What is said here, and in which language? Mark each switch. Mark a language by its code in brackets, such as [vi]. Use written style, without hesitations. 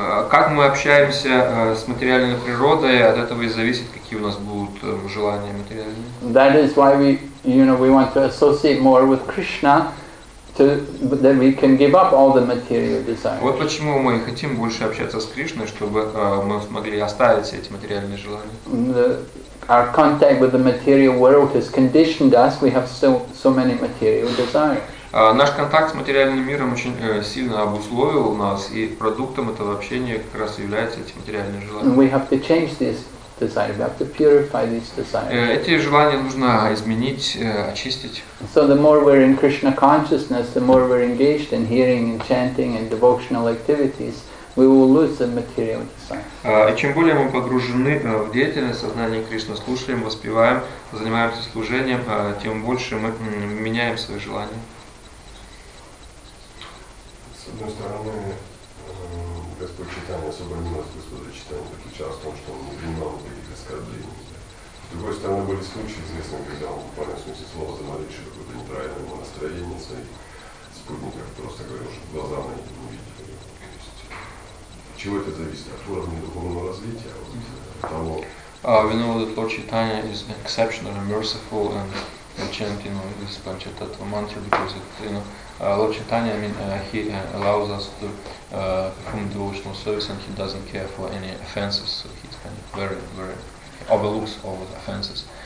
[ru] Как мы общаемся с материальной природой, от этого и зависит, какие у нас будут желания материальные. [en] That is why we, you know, we want to associate more with Krishna, to that we can give up all the material desires. [ru] Вот почему мы хотим больше общаться с Кришной, чтобы мы смогли оставить все эти материальные желания. [en] Our contact with the material world has conditioned us. We have so many material desires. [ru] Наш контакт с материальным миром очень сильно обусловил нас, и продуктом этого общения как раз являются эти материальные желания. [en] We have to change these desires. We have to purify these desires. [ru] Эти желания нужно изменить, очистить. [en] So the more we're in Krishna consciousness, the more we're engaged in hearing and chanting and devotional activities, we will lose the material desire. [ru] И чем более мы погружены в деятельность сознания Кришны, слушаем, воспеваем, занимаемся служением, тем больше мы меняем свои желания. С одной стороны, Господь Читание, особая милость Господа Читания заключалась в том, что он не принимал никаких оскорблений. С другой стороны, были случаи известны, когда он в буквальном смысле слова замолившее какое-то неправильное ему настроение своих спутников, просто говорил, что глаза мои не видели. То есть, чего это зависит? От уровня духовного развития, от того. [en] We know that Lord Chaitanya is exceptionally merciful and chanting, you know, this Panchatattva mantra, because it, you know, Lord Chaitanya, I mean, he allows us to perform devotional service, and he doesn't care for any offenses, so he's kind of very, very, he overlooks all the offenses.